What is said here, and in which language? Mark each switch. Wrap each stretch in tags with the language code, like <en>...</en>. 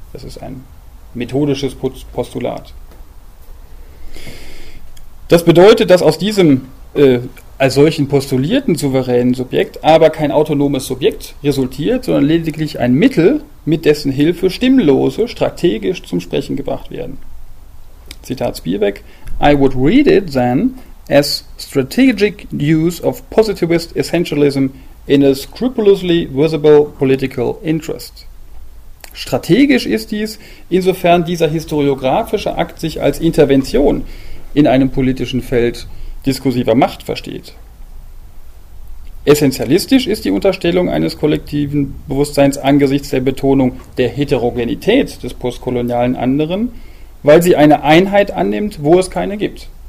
<de>Das ist ein methodisches Postulat. Das bedeutet, dass aus diesem als solchen postulierten souveränen Subjekt aber kein autonomes Subjekt resultiert, sondern lediglich ein Mittel, mit dessen Hilfe Stimmlose strategisch zum Sprechen gebracht werden.</de> <en>Zitat Spielbeck: I would read it then as strategic use of positivist essentialism in a scrupulously visible political interest.</en> <de>Strategisch ist dies, insofern dieser historiografische Akt sich als Intervention in einem politischen Feld diskursiver Macht versteht. Essentialistisch ist die Unterstellung eines kollektiven Bewusstseins angesichts der Betonung der Heterogenität des postkolonialen Anderen, weil sie eine Einheit annimmt, wo es keine gibt.</de>